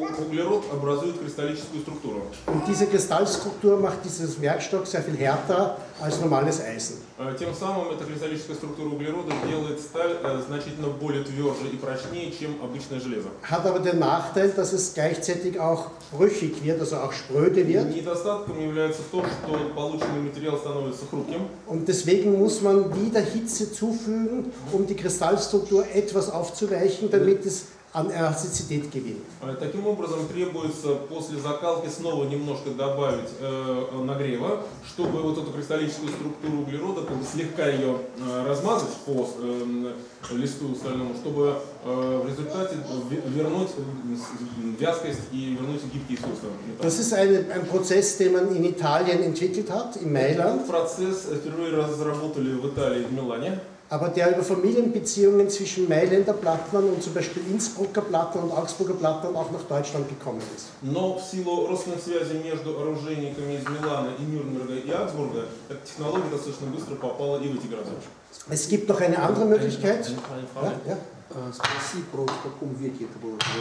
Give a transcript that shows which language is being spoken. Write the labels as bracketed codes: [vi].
[de] Und diese Kristallstruktur macht dieses Werkstoff sehr viel härter als normales Eisen. [ru] Тем самым эта кристаллическая структура углерода делает сталь значительно более тверже и прочнее, чем обычное железо. [de] Hat aber den Nachteil, dass es gleichzeitig auch brüchig wird, also auch spröde wird. [ru] Недостатком является то, что полученный материал становится хрупким. [de] Und deswegen muss man wieder Hitze zufügen, um die Kristallstruktur etwas aufzuweichen, damit es an Elastizität gewinnt. [ru] Таким образом требуется после закалки снова немножко добавить нагрева, чтобы вот эту кристаллическую структуру углерода как бы слегка ее размазать по листу стальному, чтобы в результате вернуть вязкость и вернуть гибкие свойства. [de] Das ist ein Prozess, den man in Italien entwickelt hat, in Mailand. [ru] Процесс впервые разработали в Италии, в Милане. [de] Aber der über Familienbeziehungen zwischen Mailänder Plattnern und zum Beispiel Innsbrucker Plattnern und Augsburger Plattnern auch nach Deutschland gekommen ist. [ru] Но в силу родственных связей между оружейниками из Милана и Нюрнберга и Аксбурга эта технология достаточно быстро попала и в эти города. [de] Es gibt noch eine andere Möglichkeit. [ru] Спасибо, в каком веке это было?